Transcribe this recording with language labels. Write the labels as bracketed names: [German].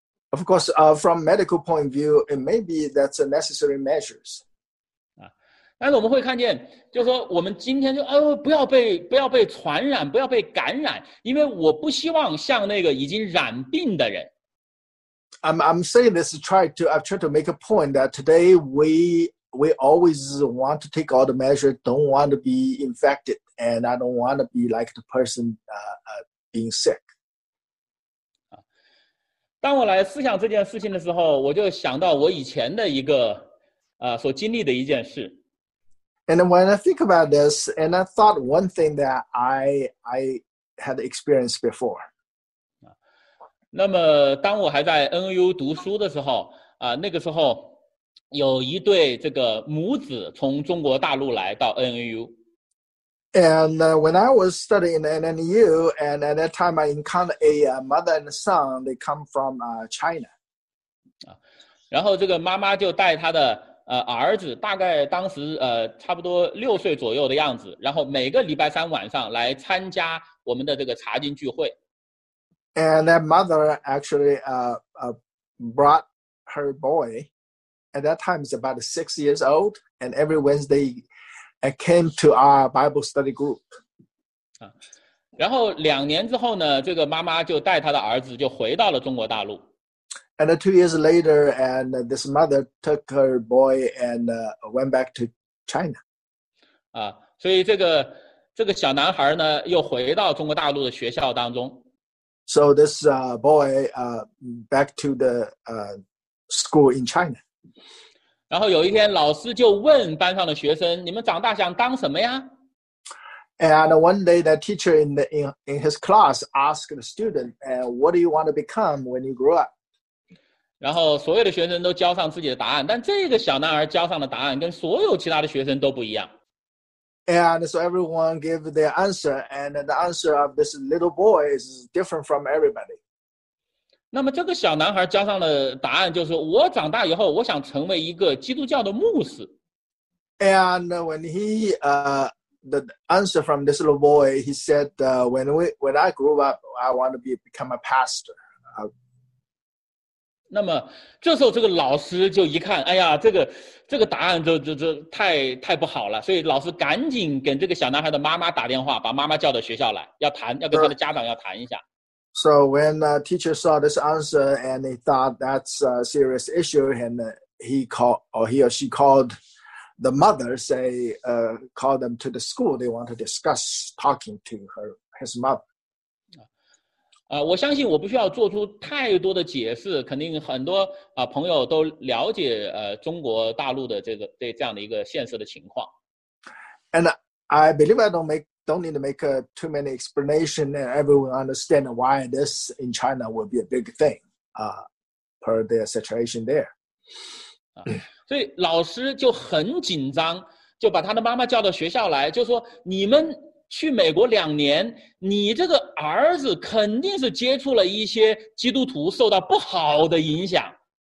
[English] Of course, from medical point of view, it may be that's a necessary measures. [Chinese] 但是我们会看见，就是说我们今天就不要被传染，不要被感染，因为我不希望像那个已经染病的人。 [English] I'm saying this to try to make a point that today we always want to take all the measures, don't want to be infected, and I don't want to be like the person being sick. [Chinese] 当我来思想这件事情的时候，我就想到我以前的一个所经历的一件事。 [English] And when I think about this, and I thought one thing that I had experienced before. [Chinese] 那么当我还在 NU 读书的时候，那个时候有一对这个母子从中国大陆来到 NU。 [English] And when I was studying in NU, and at that time I encountered a mother and a son, they come from China. [Chinese] 然后这个妈妈就带她的儿子大概当时差不多六岁左右的样子，然后每个礼拜三晚上来参加我们的这个查经聚会。 [English] And that mother actually brought her boy, at that time is about 6 years old, and every Wednesday came to our Bible study group. [Chinese] 然后两年之后呢，这个妈妈就带她的儿子就回到了中国大陆。 [English] And 2 years later, and this mother took her boy and went back to China. [Chinese] 所以这个小男孩呢，又回到中国大陆的学校当中。 [English] So this boy back to the school in China. [Chinese] 然后有一天，老师就问班上的学生：“你们长大想当什么呀？” [English] And one day, the teacher in his class asked the student, "What do you want to become when you grow up?" [Chinese] 然后所有的学生都交上自己的答案，但这个小男孩交上的答案跟所有其他的学生都不一样。 [English] And so everyone gave their answer, and the answer of this little boy is different from everybody. [Chinese] 那么这个小男孩交上的答案就是，我长大以后我想成为一个基督教的牧师。 [English] And when he, the answer from this little boy, he said, when I grew up, I want to become a pastor. [Chinese] 那么这时候这个老师就一看，哎呀，这个答案就太不好了，所以老师赶紧跟这个小男孩的妈妈打电话，把妈妈叫到学校来，要谈，要跟他的家长要谈一下。 [English] So when the teacher saw this answer and he thought that's a serious issue, and he or she called the mother, say, call them to the school. They want to discuss talking to his mother. [Chinese] 我相信我不需要做出太多的解释，肯定很多朋友都了解中国大陆的这样的一个现实的情况。 [English] And I believe I don't need to make too many explanation, and everyone understand why this in China will be a big thing, per their situation there. [Chinese] 所以老师就很紧张，就把他的妈妈叫到学校来，就说你们。去美国两年，你这个儿子肯定是接触了一些基督徒，受到不好的影响。